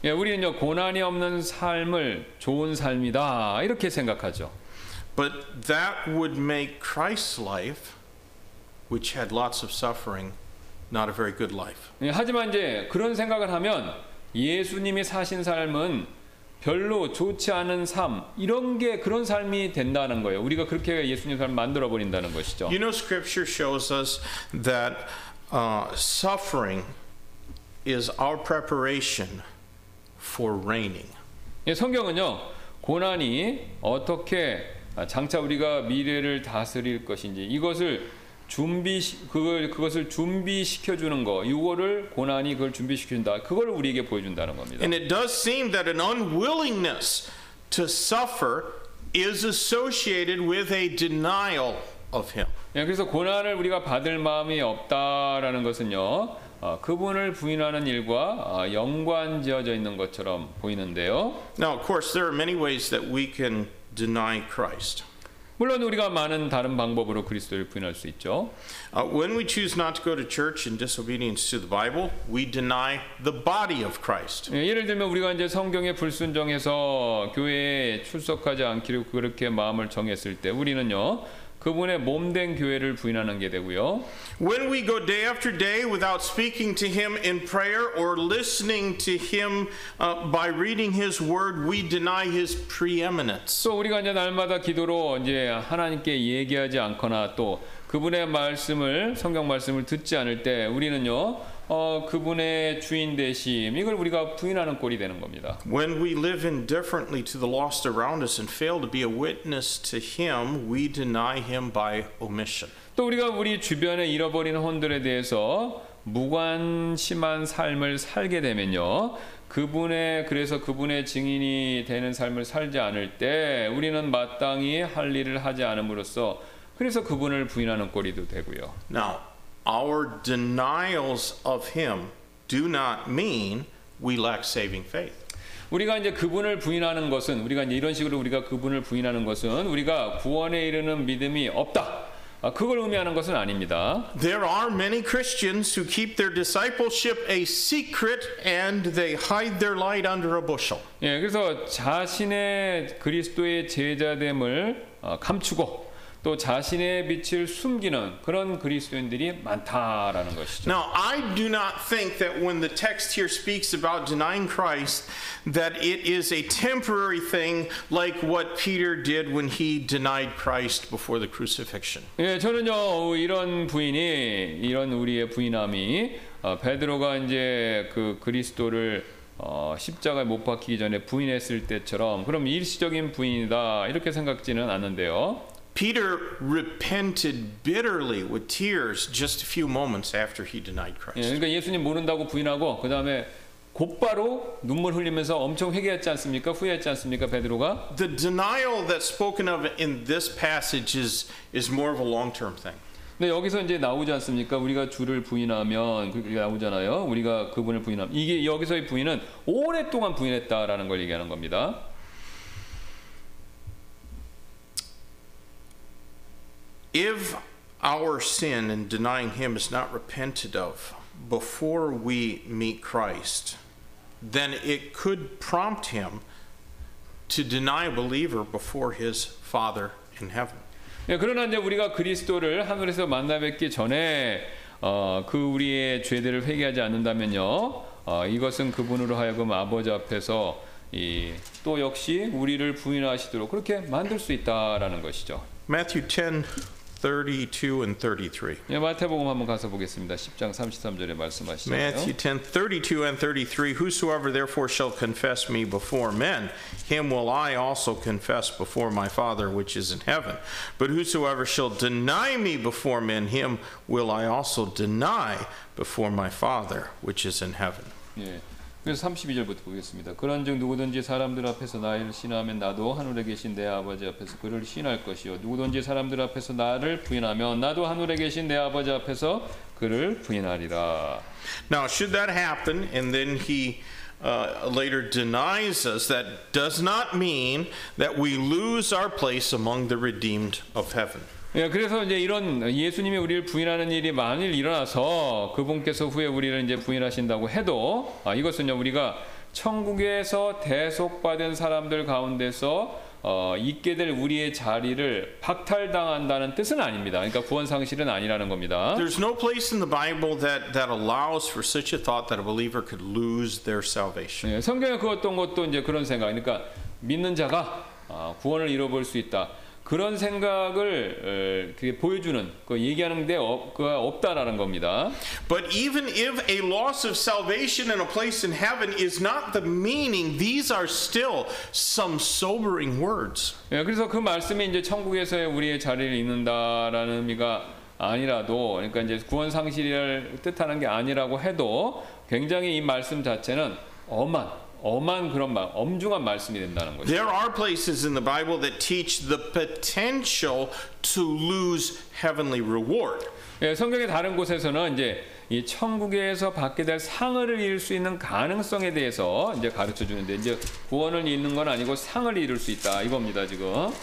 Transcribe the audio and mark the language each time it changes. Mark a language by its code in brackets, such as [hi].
[ko] 예, 우리는요, 고난이 없는 삶을 좋은 삶이다 이렇게 생각하죠. [en] But that would make Christ's life, which had lots of suffering, not a very good life. [ko] 예, 하지만 이제 그런 생각을 하면 예수님이 사신 삶은 별로 좋지 않은 삶 이런 게 그런 삶이 된다는 거예요. 우리가 그렇게 예수님 삶을 만들어 버린다는 것이죠. [en] You know, Scripture shows us that suffering is our preparation for reigning. [ko] 예, 성경은요 고난이 어떻게 장차 우리가 미래를 다스릴 것인지 이것을 준비 그것을 준비시켜 주는 거 이거를 고난이 그걸 준비시킨다 그걸 우리에게 보여준다는 겁니다. [en] And it does seem that an unwillingness to suffer is associated with a denial of him. [ko] 예, 그래서 고난을 우리가 받을 마음이 없다라는 것은요 그분을 부인하는 일과 연관지어져 있는 것처럼 보이는데요. [en] Now of course there are many ways that we can deny Christ. [ko] 물론 우리가 많은 다른 방법으로 그리스도를 부인할 수 있죠. [en] When we choose not to go to church in disobedience to the Bible, we deny the body of Christ. [ko] 예, 예를 들면 우리가 이제 성경에 불순종해서 교회에 출석하지 않기로 그렇게 마음을 정했을 때 우리는요. 그분의 몸된 교회를 부인하는 게 되고요. [en] When we go day after day without speaking to him in prayer or listening to him by reading his word, we deny his preeminence. [ko] 또 우리가 이제 날마다 기도로 이제 하나님께 얘기하지 않거나 또 그분의 말씀을 성경 말씀을 듣지 않을 때 우리는요. 그분의 주인 되심 이걸 우리가 부인하는 꼴이 되는 겁니다. [en] When we live indifferently to the lost around us and fail to be a witness to him, we deny him by omission. [ko] 또 우리가 우리 주변에 잃어버린 혼들에 대해서 무관심한 삶을 살게 되면요. 그분의 그래서 그분의 증인이 되는 삶을 살지 않을 때 우리는 마땅히 할 일을 하지 않음으로써 그래서 그분을 부인하는 꼴이도 되고요. [en] Now our denials of him do not mean we lack saving faith. [ko] 우리가 이제 그분을 부인하는 것은 우리가 이제 이런 식으로 우리가 그분을 부인하는 것은 우리가 구원에 이르는 믿음이 없다. 그걸 의미하는 것은 아닙니다. [en] There are many Christians who keep their discipleship a secret and they hide their light under a bushel. [ko] 예, 그래서 자신의 그리스도의 제자됨을 감추고 또 자신의 빛을 숨기는 그런 그리스도인들이 많다라는 것이죠. [en] Now, I do not think that when the text here speaks about denying Christ, that it is a temporary thing like what Peter did when he denied Christ before the crucifixion. [ko] 예, 저는요, 이런 부인이, 이런 우리의 부인함이 베드로가 이제 그 그리스도를 십자가에 못 박히기 전에 부인했을 때처럼 그럼 일시적인 부인이다 이렇게 생각지는 않는데요. [en] Peter repented bitterly with tears just a few moments after he denied Christ. [ko] 예, 그러니까 예수님 모른다고 부인하고 그 다음에 곧바로 눈물 흘리면서 엄청 회개했지 않습니까? 후회했지 않습니까? 베드로가? [en] The denial that's spoken of in this passage is more of a long-term thing. [ko] 근데 여기서 이제 나오지 않습니까? 우리가 주를 부인하면 그렇게 나오잖아요. 우리가 그분을 부인하면 이게 여기서의 부인은 오랫동안 부인했다라는 걸 얘기하는 겁니다. [en] If our sin in denying him is not repented of before we meet Christ, then it could prompt him to deny a believer before his Father in heaven. [ko] 예, 그러나 이제 우리가 그리스도를 하늘에서 만나 뵙기 전에 그 우리의 죄들을 회개하지 않는다면요, 이것은 그분으로 하여금 아버지 앞에서 이, 또 역시 우리를 부인하시도록 그렇게 만들 수 있다라는 것이죠. [en] Matthew 10:32-33. [ko] 예, 마태복음 한번 가서 보겠습니다. 10장 33절에 말씀하시죠. [en] Matthew 10:32-33. Whosoever therefore shall confess me before men, him will I also confess before my Father which is in heaven. But whosoever shall deny me before men, him will I also deny before my Father which is in heaven. [ko] 예, 그래서 32절부터 보겠습니다. 그런즉 누구든지 사람들 앞에서 나를 시인하면 나도 하늘에 계신 내 아버지 앞에서 그를 시인할 것이요 누구든지 사람들 앞에서 나를 부인하면 나도 하늘에 계신 내 아버지 앞에서 그를 부인하리라. [en] Now, should that happen and then he later denies us, that does not mean that we lose our place among the redeemed of heaven. [ko] 예, 그래서 이제 이런 예수님이 우리를 부인하는 일이 만일 일어나서 그분께서 후에 우리를 이제 부인하신다고 해도 이것은요 우리가 천국에서 대속받은 사람들 가운데서 있게 될 우리의 자리를 박탈당한다는 뜻은 아닙니다. 그러니까 구원 상실은 아니라는 겁니다. [en] There's no place in the Bible that allows for such a thought that a believer could lose their salvation. [ko] 예, 성경에 그 어떤 것도 이제 그런 생각. 그러니까 믿는 자가 구원을 잃어버릴 수 있다. 그런 생각을 그게 보여주는 그 얘기하는 데 그가 없다라는 겁니다. [en] But even if a loss of salvation and a place in heaven is not the meaning, these are still some sobering words. [ko] 예, 그래서 그 말씀이 이제 천국에서의 우리의 자리를 잃는다라는 의미가 아니라도, 그러니까 이제 구원 상실을 뜻하는 게 아니라고 해도 굉장히 이 말씀 자체는 엄한. 엄한 그런 말, 엄중한 말씀이 된다는 것이죠. [en] There are places in the Bible that teach the potential to lose heavenly reward. [ko] 예, 성경의 다른 곳에서는 이제 이 천국에서 받게 될 상을 잃을 수 있는 가능성에 대해서 이제 가르쳐 주는데 이제 구원을 잃는 건 아니고 상을 잃을 수 있다 이겁니다 지금.